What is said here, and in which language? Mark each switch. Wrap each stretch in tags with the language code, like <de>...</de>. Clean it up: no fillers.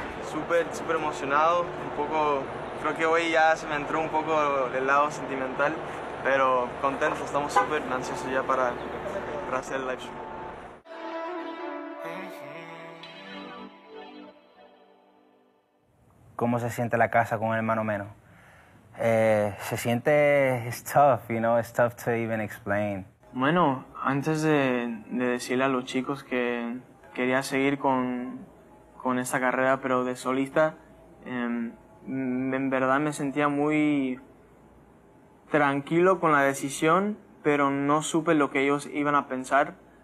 <es>Súper, súper emocionado, un poco, creo que hoy ya se me entró un poco el lado sentimental, pero contento, estamos súper ansiosos ya para hacer el live show. ¿Cómo se siente la casa con el mano menos? Se siente,</es> <en>it's tough, you know, it's tough to even explain.</en> <es>Bueno, antes de decirle a los chicos que quería seguir con esta carrera, pero de solista, en verdad me sentía muy tranquilo con la decisión, pero no supe lo que ellos iban a pensar.</es>